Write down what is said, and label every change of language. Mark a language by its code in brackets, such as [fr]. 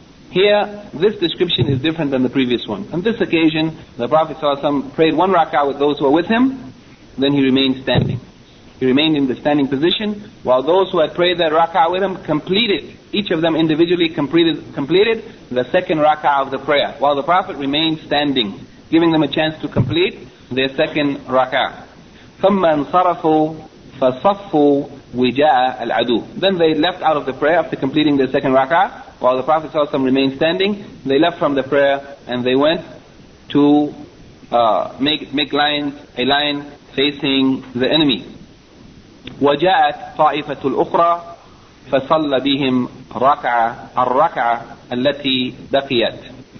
[en] Here, this description is different than the previous one. On this occasion, the Prophet ﷺ prayed one rak'ah with those who were with him, then he remained standing. He remained in the standing position, while those who had prayed that rak'ah with him completed, each of them individually completed the second rak'ah of the prayer, while the Prophet remained standing, giving them a chance to complete their second rak'ah. [ar] ثُمَّ انصرفوا فصفوا وجاء العدو. [en] Then they left out of the prayer after completing their second rak'ah, while the Prophet ﷺ remained standing. They left from the prayer and they went to make a line facing the enemy. [ar] وَجَاءَتْ طَائِفَةُ الْأُخْرَى فَصَلَّ بِهِمْ رَكْعَةَ الرَّكْعَةَ الَّتِي بَقِيَتْ.